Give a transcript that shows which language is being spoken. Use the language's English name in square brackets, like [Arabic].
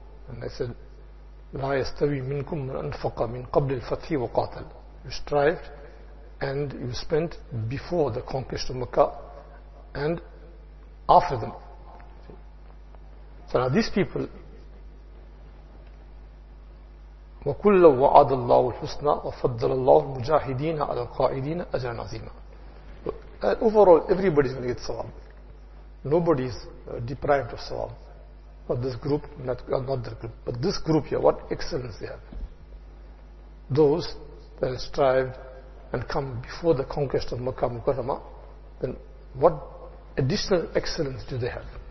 [English] And I said, [Arabic] لا يستوي منكم من أنفق من قبل الفتح وقاتل. [English] You strived and you spent before the conquest of Makkah and after them. So now these people, [Arabic] وَكُلَّ وَعَدَ اللَّهُ الْحُسْنَى وَفَضَّلَ اللَّهُ الْمُجَاهِدِينَ عَلَى الْقَاعِدِينَ أَجْرًا عَظِيمًا. [English] Overall, everybody is going to get sawab. Nobody is deprived of sawab. Not this group, not that group. But this group here, what excellence they have. Those that have strived and come before the conquest of Makkah Mukarrama, then what additional excellence do they have?